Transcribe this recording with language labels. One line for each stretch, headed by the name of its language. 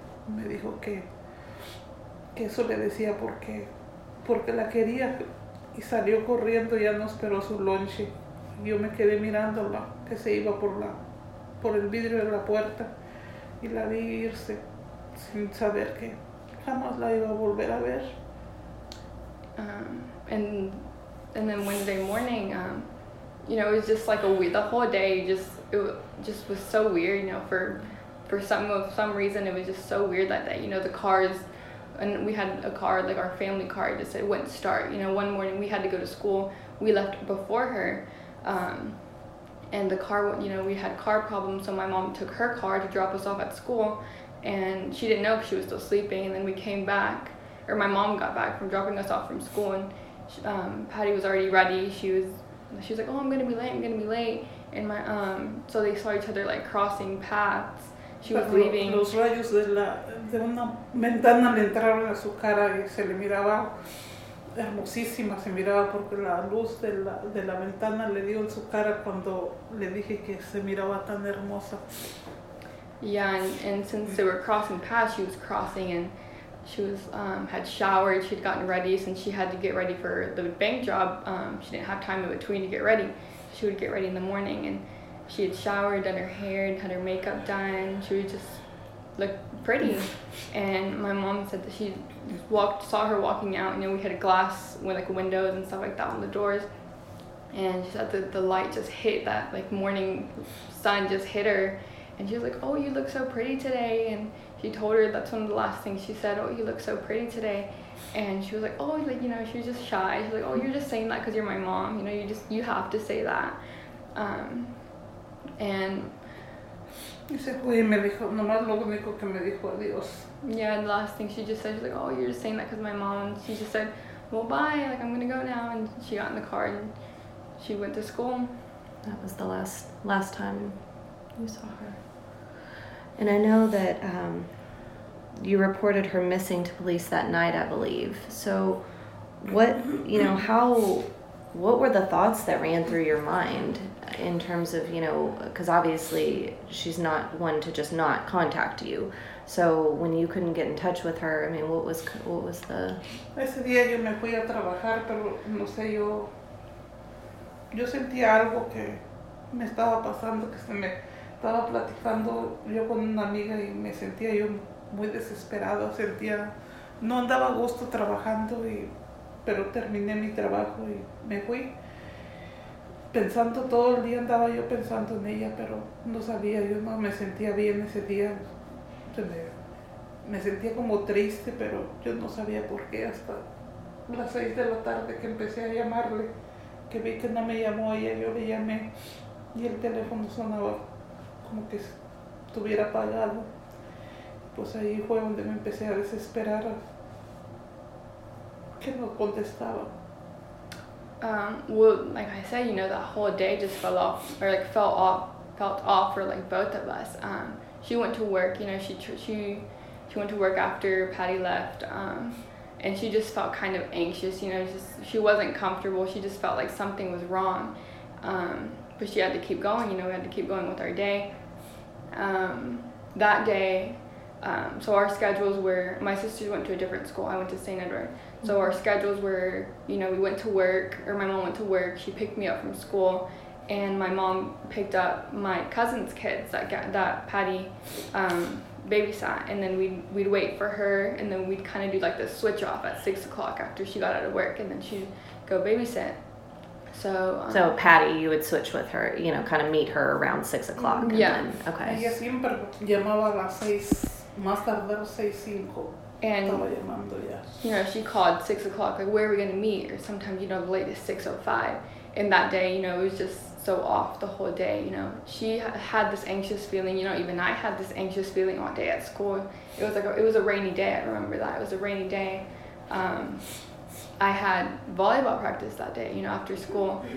Spanish: Me dijo que eso le decía porque la quería. Y salió corriendo, ya no esperó su lunch. Yo me quedé mirándola, que se iba por el vidrio de la puerta. Y la vi irse sin saber que jamás la iba a volver a ver.
English: And then Wednesday morning, you know, it was just like the whole day just was so weird, you know, for some reason it was just so weird that day, you know, the cars, and we had a car, like our family car, just it wouldn't start, you know. One morning we had to go to school, we left before her, and the car, you know, we had car problems, so my mom took her car to drop us off at school, and she didn't know because she was still sleeping. And then we came back, or my mom got back from dropping us off from school, and Patty was already ready. She was like, oh, I'm gonna be late. And my so they saw each other like crossing paths. She was leaving.
Spanish: Los rayos de una ventana le entraron a su cara y se le miraba hermosísima. Se miraba porque la luz de la ventana le dio en su cara cuando le dije que se miraba tan hermosa.
English: Yeah, and since they were crossing paths, she was crossing, and she was had showered. She'd gotten ready since she had to get ready for the bank job. She didn't have time in between to get ready. She would get ready in the morning, and she had showered, done her hair, and had her makeup done. She would just look pretty. And my mom said that she saw her walking out. You know, we had a glass with like windows and stuff like that on the doors. And she said that the light just hit, that like morning sun just hit her. And she was like, oh, you look so pretty today. And she told her, that's one of the last things she said, oh, you look so pretty today. And she was like, oh, like, you know, she was just shy. She's like, oh, you're just saying that because you're my mom. You know, you have to say that. And
Spanish: se fue y me dijo, nomás lo único que me dijo adiós.
English: Yeah, and the last thing she just said, she's like, oh, you're just saying that because my mom. And she just said, well, bye, like, I'm going to go now. And she got in the car and she went to school. That was the last time you saw her. And I know that you reported her missing to police that night, I believe. So what, you know, what were the thoughts that ran through your mind in terms of, you know, because obviously she's not one to just not contact you. So when you couldn't get in touch with her, I mean, what was the...
Spanish: Ese día yo me fui a trabajar, pero no sé, yo sentí algo que me estaba pasando, que se me estaba platicando yo con una amiga y me sentía yo muy desesperado, sentía, no andaba a gusto trabajando, pero terminé mi trabajo y me fui. Pensando todo el día, andaba yo pensando en ella, pero no sabía, yo no me sentía bien ese día. Me sentía como triste, pero yo no sabía por qué, hasta las 6 de la tarde que empecé a llamarle, que vi que no me llamó ella, yo le llamé y el teléfono sonaba como que estuviera apagado. Pues ahí fue donde me empecé a desesperar, que no contestaba.
English: Well, like I said, you know, that whole day just fell off, or like felt off for like both of us. She went to work, you know, she went to work after Patty left, and she just felt kind of anxious, you know, just she wasn't comfortable. She just felt like something was wrong. But she had to keep going, you know, we had to keep going with our day. That day, so our schedules were, my sisters went to a different school, I went to St. Edward. So our schedules were, you know, we went to work, or my mom went to work, she picked me up from school, and my mom picked up my cousin's kids that Patty babysat, and then we'd wait for her, and then we'd kind of do like the switch off at 6 o'clock after she got out of work, and then she'd go babysit. So Patty, you would switch with her, you know, kind of meet her around 6 o'clock. And yeah. Then, okay.
Spanish: Ella siempre llamaba a las seis, más tardar 6:05.
English: And,
Spanish: llamando,
English: yes. You know, she called 6 o'clock, like, where are we going to meet? Or sometimes, you know, the latest 6:05. And that day, you know, it was just so off the whole day, you know. She had this anxious feeling, you know, even I had this anxious feeling all day at school. It was like, it was a rainy day, I remember that. It was a rainy day. I had volleyball practice that day, you know, after school.